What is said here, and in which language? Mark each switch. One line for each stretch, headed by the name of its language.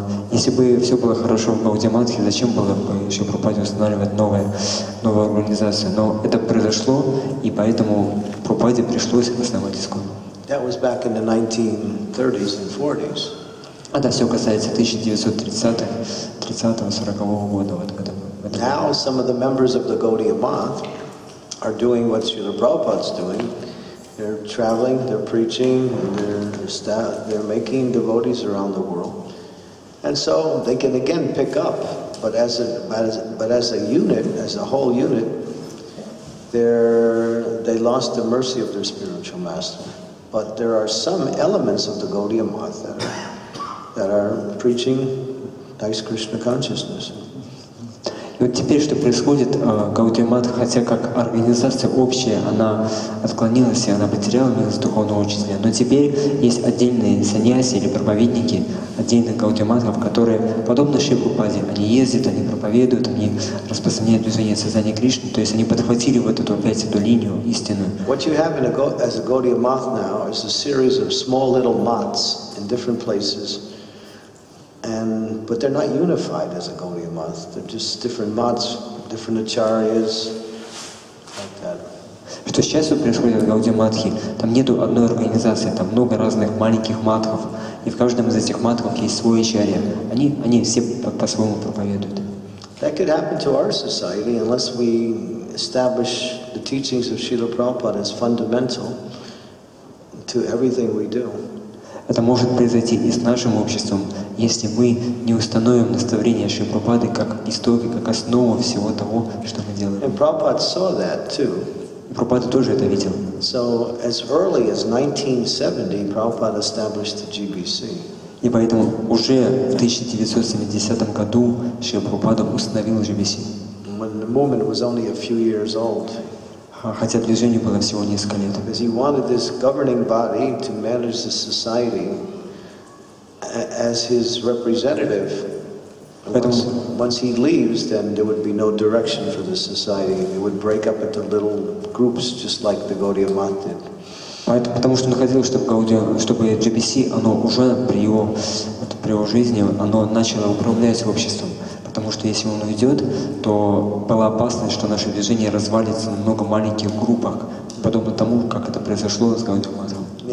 Russian: Если бы все было хорошо в Гаудия Матхе, зачем было бы еще Прабхупаде устанавливать новую организацию? Но это произошло, и поэтому Прабхупаде пришлось основать ИСКОН.
English: That was back in the 1930s and 40s.
Russian: А да, все касается 1930-40 года, вот когда мы.
English: Now some of the members of the Gaudiya Math are doing what Srila Prabhupada's doing. They're traveling, they're preaching, and they're making devotees around the world. And so they can again pick up, but as a whole unit, they lost the mercy of their spiritual master. But there are some elements of the Gaudiya Math that are preaching nice Krishna consciousness.
Russian: Вот теперь, что происходит, Гаудия Матха, хотя как организация общая, она отклонилась и она потеряла милость духовного учителя, но теперь есть отдельные саньяси или проповедники, отдельных Гаудия Матхов, которые, подобно Шри Прабхупаде, они ездят, они проповедуют, они распространяют движение сознания Кришны, то есть они подхватили вот эту опять эту линию истинную.
English: What you have in as a Gaudiya Math now is a series of small little mats in different places. But they're not unified as a Gaudiya Math. They're just different mats, different acharyas, like that.
Russian: Что сейчас происходит в Гаудия Матхе? Там нету одной организации, там много разных маленьких матхов, и в каждом из этих матхов есть свой ачарья. Они все по-своему проповедуют.
English: That could happen to our society unless we establish the teachings of Srila Prabhupada as fundamental to everything we do.
Russian: Это может произойти и с нашим обществом, если мы не установим наставление Шри Прабхупады как истоки, как основу всего того, что мы делаем.
English: And Prabhupada saw that too.
Russian: Прабхупада тоже это видел.
English: So as early as 1970, Prabhupada established the GBC.
Russian: И поэтому уже в 1970 году Шри Прабхупада установил GBC.
English: When the movement was only a few years old.
Russian: Хотя движению было всего несколько лет.
English: Because he wanted this governing body to manage the society as his representative. Once he leaves, then there would be no direction for the society. It would break up into little groups, just like the Gaudiya Math did.
Russian: Потому что он хотел, чтобы GBC, оно уже при его жизни, оно начало управлять обществом. Потому что если он уйдет, то была опасность, что наше движение развалится на много маленьких группах, подобно тому, как это произошло с Гаудия Матхом.